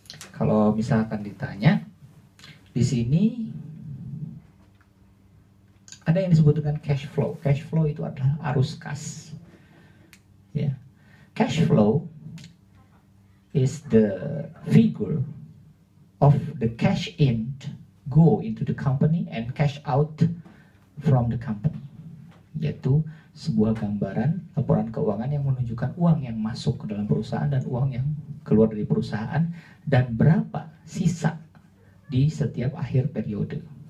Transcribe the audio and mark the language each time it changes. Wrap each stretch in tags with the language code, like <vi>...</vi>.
<id>Kalau misalkan ditanya, di sini ada yang disebut dengan cash flow. Cash flow itu adalah arus kas. Ya.</id> <en>Cash flow is the figure of the cash in go into the company and cash out from the company.</en> <id>Yaitu sebuah gambaran laporan keuangan yang menunjukkan uang yang masuk ke dalam perusahaan dan uang yang keluar dari perusahaan dan berapa sisa di setiap akhir periode.</id>